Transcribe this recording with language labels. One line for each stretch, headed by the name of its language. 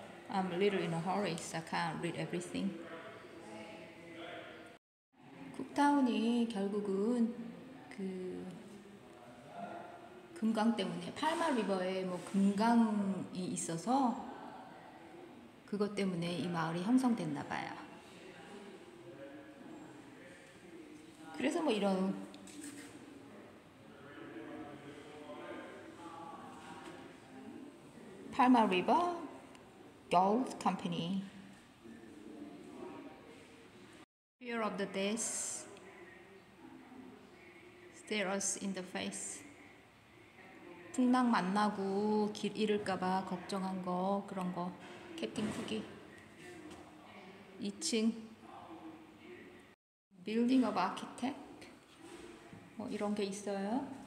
English: 'm a little in a hurry, so I can't read everything.
Korean: 쿡타운이 결국은 그 금광 때문에 팔마 리버에 뭐 금광이 있어서 그것 때문에 이 마을이 형성됐나 봐요. 그래서 뭐 이런 팔마 리버 Gold Company.
English: Fear of the death stares us in the face.
Korean: 풍랑 만나고 길 잃을까봐 걱정한 거 그런 거. 캡틴 쿡이. 2층.
English: Building of architect.
Korean: 뭐 이런 게 있어요.